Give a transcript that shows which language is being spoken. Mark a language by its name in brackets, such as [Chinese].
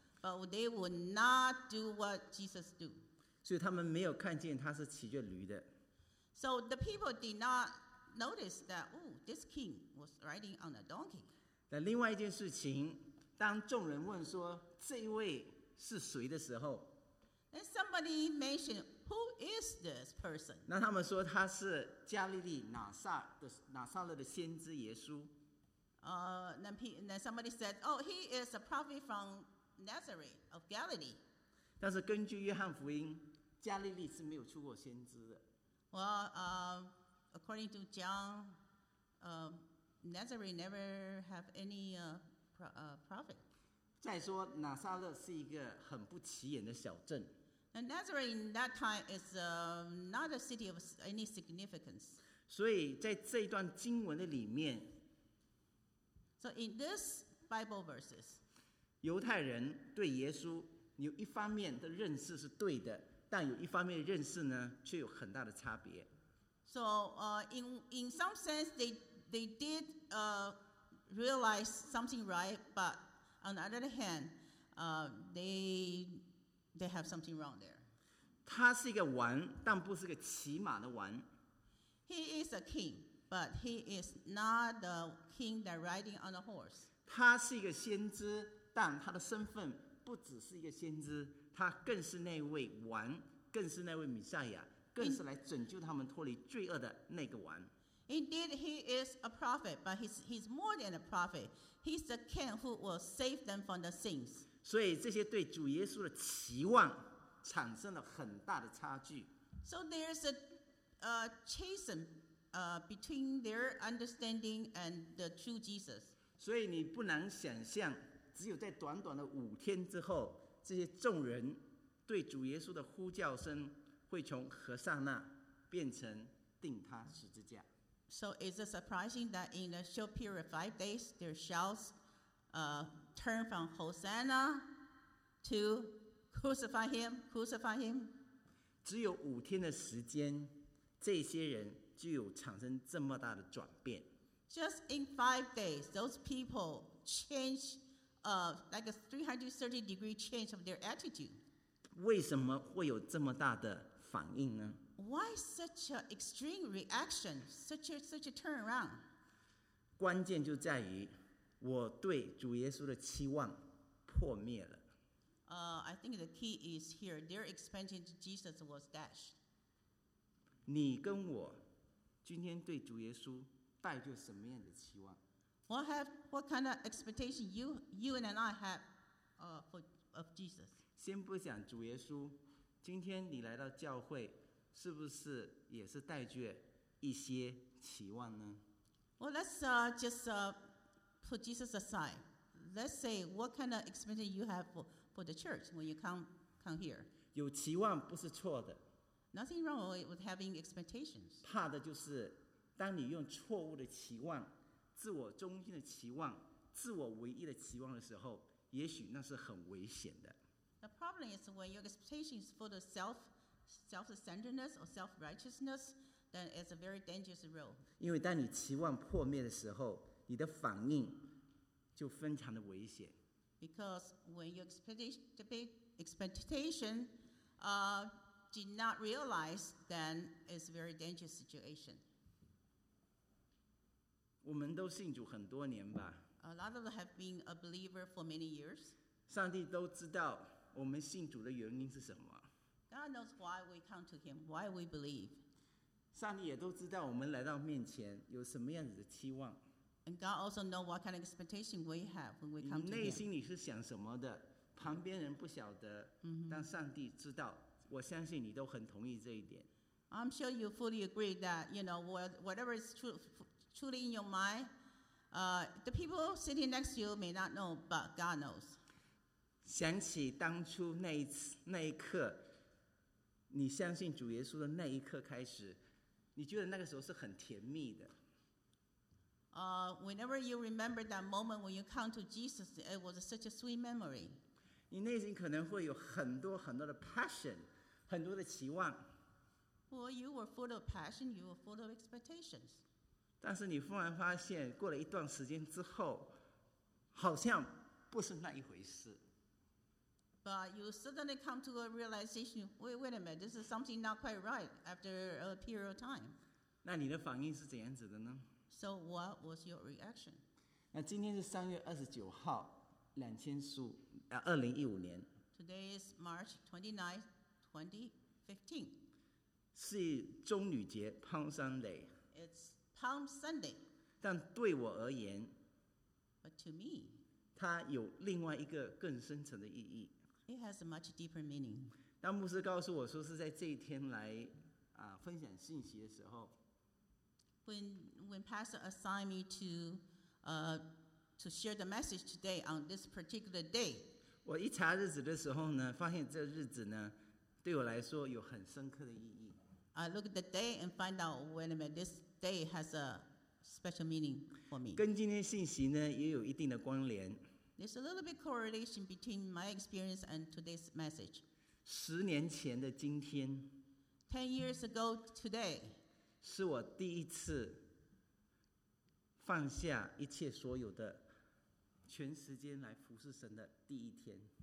[English] But they will not do what Jesus do. [Chinese] 所以他们没有看见他是骑着驴的。 [English] So the people did not notice that, oh, this king was riding on a donkey. [Chinese] 那另外一件事情，当众人问说这位是谁的时候， [English] Then somebody mentioned, who is this person? [Chinese] 那他们说他是加利利拿撒勒的先知耶稣。 [English] Then somebody said, oh, he is a prophet from Nazareth of Galilee. [Chinese] 但是根据约翰福音，加利利是没有出过先知的。 [English] Well, according to John, Nazareth never have any prophet. [Chinese] 再说，拿撒勒是一个很不起眼的小镇。 [English] And Nazareth in that time is not a city of any significance. [Chinese] 所以在这段经文的里面， [English] So in this Bible verses, [Chinese] 犹太人对耶稣有一方面的认识是对的，但有一方面的认识呢却有很大的差别。 [English] So in some sense they did realize something right, but on the other hand they have something wrong there. [Chinese] 他是一个王，但不是个骑马的王。 [English] He is a king, but he is not the king that riding on a horse. [Chinese] 他是一个先知，但他的身份不只是一个先知，他更是那位王，更是那位弥赛亚，更是来拯救他们脱离罪恶的那个王。 [English] Indeed, he is a prophet, but he's more than a prophet. He's the king who will save them from the sins. [Chinese] 所以这些对主耶稣的期望产生了很大的差距。 [English] So there's a chasm between their understanding and the true Jesus. [Chinese] 所以你不难想象，只有在短短的五天之后，这些众人对主耶稣的呼叫声会从何塞那变成钉他十字架。 [English] So is it surprising that in a short period of 5 days, their shouts turn from Hosanna to crucify him, crucify him? [Chinese] 只有五天的时间，这些人就有产生这么大的转变。 [English] Just in 5 days, those people changed like a 330 degree change of their attitude. [Chinese] 为什么会有这么大的反应呢？ [English] Why such an extreme reaction, such a turnaround? [Chinese] 关键就在于我对主耶稣的期望破灭了。 [English] I think the key is here. Their expansion to Jesus was dashed. [Chinese] 你跟我今天对主耶稣带着什么样的期望？ [English] What kind of expectation you and I have of Jesus? [Chinese] 先不想主耶稣，今天你来到教会，是不是也是带着一些期望呢？ [English] Well, let's put Jesus aside. Let's say what kind of expectation you have for the church when you come here. [Chinese] 有期望不是错的。 [English] Nothing wrong with having expectations. [Chinese] 怕的就是当你用错误的期望，自我中心的期望，自我唯一的期望的时候，也许那是很危险的。 [English] The problem is when your expectation is for the self-centeredness or self-righteousness, then it's a very dangerous road. [Chinese] 因为当你期望破灭的时候，你的反应就非常的危险。 [English] Because when your expectation did not realize, then it's a very dangerous situation. [Chinese] 我们都信主很多年吧。 [English] A lot of us have been a believer for many years. [Chinese] 上帝都知道我们信主的原因是什么。 [English] God knows why we come to Him, why we believe. [Chinese] 上帝也都知道我们来到面前有什么样子的期望。 [English] And God also knows what kind of expectation we have when we come to Him. [Chinese] 你内心你是想什么的？旁边人不晓得，但上帝知道。我相信你都很同意这一点。 [English] I'm sure you fully agree that you know whatever is truly in your mind, the people sitting next to you may not know, but God knows. [Chinese] 想起当初那一刻，你相信主耶稣的那一刻开始，你觉得那个时候是很甜蜜的。 [English] Whenever you remember that moment when you come to Jesus, it was such a sweet memory. [Chinese] 你内心可能会有很多很多的 passion， 很多的期望。 [English] Well, you were full of passion, you were full of expectations. [Chinese] 但是你忽然发现，过了一段时间之后，好像不是那一回事。 [English] But you suddenly come to a realization. Wait a minute, this is something not quite right after a period of time. [Chinese] 那你的反应是怎样子的呢？ [English] So what was your reaction? [Chinese] 那今天是3月29号2015年。 [English] Today is March 29, 2015. [Chinese] 是棕榈节 Palm Sunday. [English] It's Palm Sunday. [Chinese] 但对我而言， [English] But to me, [Chinese] 它有另外一个更深层的意义。 [English] It has a much deeper meaning. [Chinese] 当牧师告诉我说是在这一天来分享信息的时候， [English] When Pastor assigned me to share the message today on this particular day, [Chinese] 我一查日子的时候呢，发现这日子呢，对我来说有很深刻的意义。 [English] I look at the day and find out when this day has a special meaning for me. [Chinese] 跟今天信息呢也有一定的关联。 [English] There's a little bit correlation between my experience and today's message. [Chinese] 十年前的今天。 [English] 10 years ago today. [Chinese] 是我第一次放下一切所有的全时间来服侍神的第一天。